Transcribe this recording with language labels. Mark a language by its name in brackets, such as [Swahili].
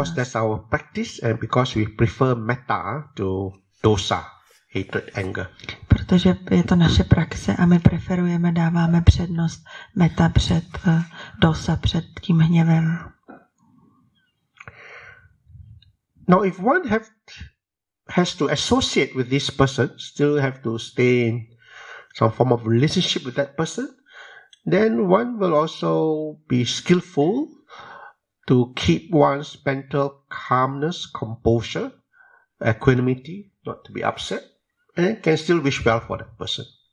[English] Because that's our practice and because we prefer metta to dosa, hatred, anger. [Czech] Protože je to naše praxe a my preferujeme, dáváme přednost metta před dosa, před tím hněvem. [English] Now if one has to associate with this person, still have to stay in some form of relationship with that person, then one will also be skillful to keep one's mental calmness, composure, equanimity, not to be upset, and can still wish well for that person.